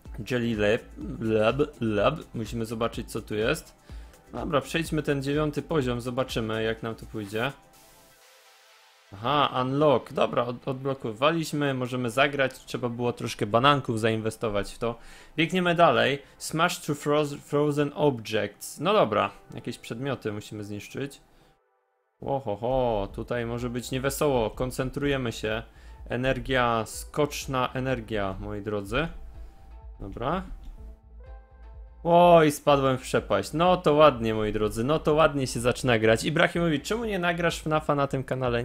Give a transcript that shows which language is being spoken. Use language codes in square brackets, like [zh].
[pl] Jelly Lab. Musimy zobaczyć, co tu jest. Dobra, przejdźmy ten 9 poziom, zobaczymy, jak nam tu pójdzie. Aha, unlock. Dobra, odblokowaliśmy, możemy zagrać. Trzeba było troszkę bananków zainwestować w to. Biegniemy dalej. [en] Smash to frozen objects. [pl] No dobra, jakieś przedmioty musimy zniszczyć. Ohoho, tutaj może być niewesoło. Koncentrujemy się. Energia, skoczna energia, moi drodzy. Dobra. Oj, spadłem w przepaść. No to ładnie, moi drodzy, no to ładnie się zaczyna grać. Ibrahim mówi, czemu nie nagrasz FNAF-a na tym kanale?